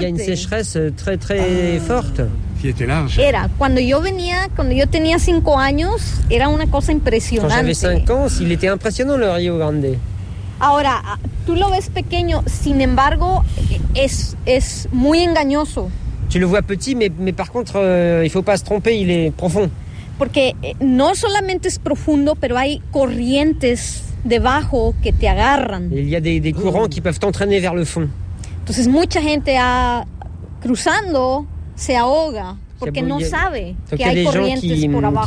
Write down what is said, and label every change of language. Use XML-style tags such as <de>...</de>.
<fr>Il y a une sécheresse très très forte. Qui était large.</fr> <es>Era cuando yo tenía 5 años, era una cosa impresionante.</es> <fr>Quand j'avais 5 ans, il était impressionnant le Rio Grande.</fr> <es>Ahora, tú lo ves pequeño, sin embargo, es muy engañoso.</es> <fr>Tu le vois petit, mais par contre, il faut pas se tromper, il est profond.</fr> <es>Porque no solamente es profundo, pero hay corrientes debajo que te agarran.</es> <fr>Il y a des courants qui peuvent t'entraîner vers le fond.</fr> <es>Entonces, mucha gente a cruzando se ahoga porque no sabe que hay corrientes por abajo.</es>